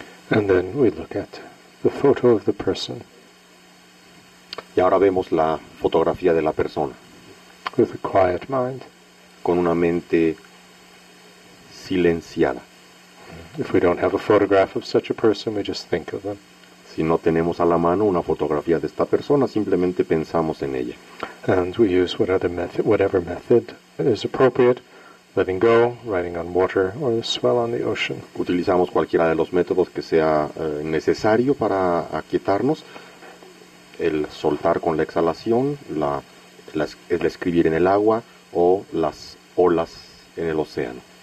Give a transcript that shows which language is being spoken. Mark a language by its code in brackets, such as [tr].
[en] And then we look at the photo of the person. [es] Y ahora vemos la fotografía de la persona. [en] With a quiet mind. [es] Con una mente silenciada. [en] If we don't have a photograph of such a person, we just think of them. [es] Si no tenemos a la mano una fotografía de esta persona, simplemente pensamos en ella. [en] And we use whatever method is appropriate. Letting go, writing on water, or the swell on the ocean. [es] Utilizamos cualquiera de los métodos que sea necesario para aquietarnos. El soltar con la exhalación, el escribir en el agua, o las olas en el océano.